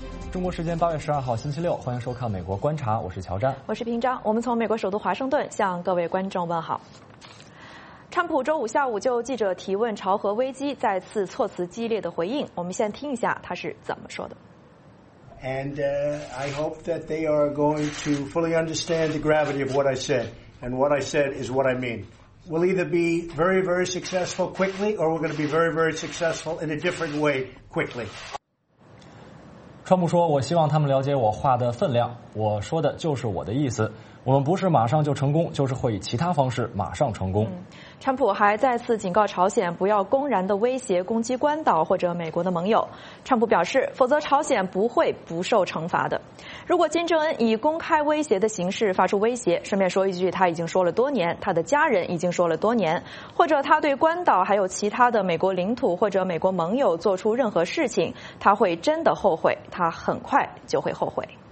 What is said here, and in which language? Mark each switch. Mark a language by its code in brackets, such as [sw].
[zh] 中国时间8月12号星期六，欢迎收看美国观察，我是乔詹，我是平章，我们从美国首都华盛顿向各位观众问好。川普周五下午就记者提问朝核危机再次措辞激烈的回应，我们先听一下他是怎么说的。 [en] And I hope that they are going to fully understand the gravity of what I said, and what I said is what I mean. We'll either be very, very successful quickly, or we're going to be very, very successful in a different way quickly. [zh] 川普说，我希望他们了解我话的分量，我说的就是我的意思。我们不是马上就成功，就是会以其他方式马上成功。川普还再次警告朝鲜不要公然的威胁攻击关岛或者美国的盟友。川普表示，否则朝鲜不会不受惩罚的。如果金正恩以公开威胁的形式发出威胁，顺便说一句，他已经说了多年，他的家人已经说了多年，或者他对关岛还有其他的美国领土或者美国盟友做出任何事情，他会真的后悔，他很快就会后悔。